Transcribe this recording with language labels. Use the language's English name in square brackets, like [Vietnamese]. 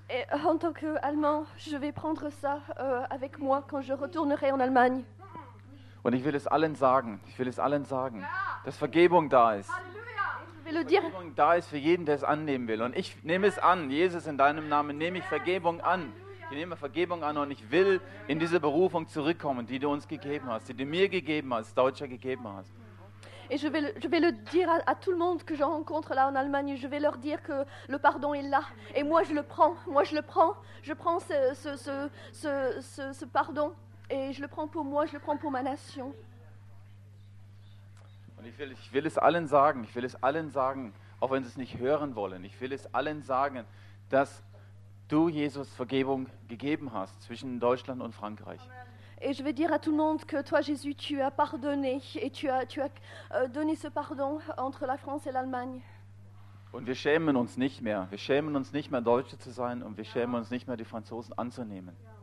[French] En tant qu'Allemand, je vais prendre ça avec moi quand je retournerai en Allemagne. [German] Und ich will es allen sagen. Ich will es allen sagen, dass Vergebung da ist. Halleluja. Vergebung da ist für jeden, der es annehmen will. Und ich nehme es an, Jesus, in deinem Namen nehme ich Vergebung an. Ich nehme Vergebung an und ich will in diese Berufung zurückkommen, die du uns gegeben hast, die du mir gegeben hast, Deutscher gegeben hast. [French] Et je vais le dire à tout le monde que je rencontre là en Allemagne. Je vais leur dire que le pardon est là. Et moi, je le prends. Moi, je le prends. Je prends ce pardon. Et je le prends pour moi. Je le prends pour ma nation. [German] Und ich will es allen sagen. Ich will es allen sagen, auch wenn sie es nicht hören wollen. Ich will es allen sagen, dass du Jesus Vergebung gegeben hast zwischen Deutschland und Frankreich. Amen. [French] Et je vais dire à tout le monde que toi, Jésus, tu as pardonné et tu as donné ce pardon entre la France et l'Allemagne. [German] Und wir schämen uns nicht mehr. Wir schämen uns nicht mehr, Deutsche zu sein, und wir schämen uns nicht mehr, die Franzosen anzunehmen.